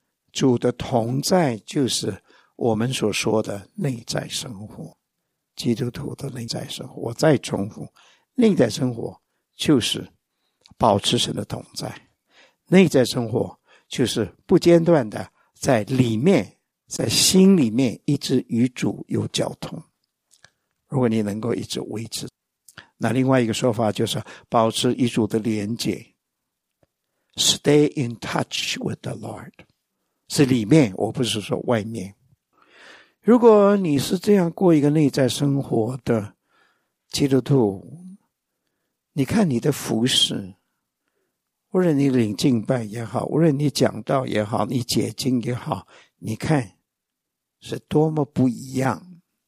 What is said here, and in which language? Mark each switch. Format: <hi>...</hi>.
<zh>主的同在就是我们所说的内在生活，基督徒的内在生活。我再重复，内在生活就是保持神的同在，内在生活就是不间断的在里面，在心里面一直与主有交通。如果你能够一直维持，那另外一个说法就是保持与主的连结。</zh> <en>Stay in touch with the Lord.</en> <zh>是里面，我不是说外面。如果你是这样过一个内在生活的基督徒，你看你的服事，无论你领敬拜也好，无论你讲道也好，你解经也好，你看是多么不一样。</zh>